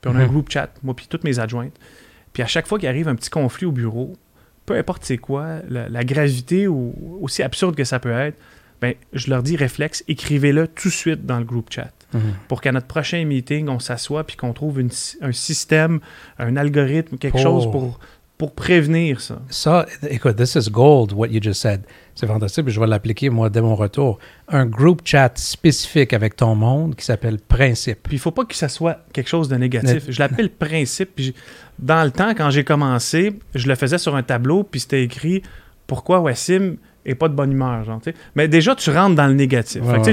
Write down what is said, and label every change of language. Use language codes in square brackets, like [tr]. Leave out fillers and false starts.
[fr] Puis on a un group chat, moi puis toutes mes adjointes. Puis à chaque fois qu'il arrive un petit conflit au bureau, peu importe c'est quoi, la gravité ou aussi absurde que ça peut être, ben je leur dis réflexe, écrivez-le tout de suite dans le group chat. Pour qu'à notre prochain meeting, on s'assoie puis qu'on trouve un système, un algorithme, quelque chose pour prévenir ça. Ça, écoute, [en] this is gold, what you just said. [fr] C'est fantastique, je vais l'appliquer, moi, dès mon retour. Un group chat spécifique avec ton monde qui s'appelle principe. Puis il ne faut pas que ça soit quelque chose de négatif. Je l'appelle principe. Puis dans le temps, quand j'ai commencé, je le faisais sur un tableau, puis c'était écrit « Pourquoi Wassim n'est pas de bonne humeur? » Genre, mais déjà, tu rentres dans le négatif. Ouais, ouais.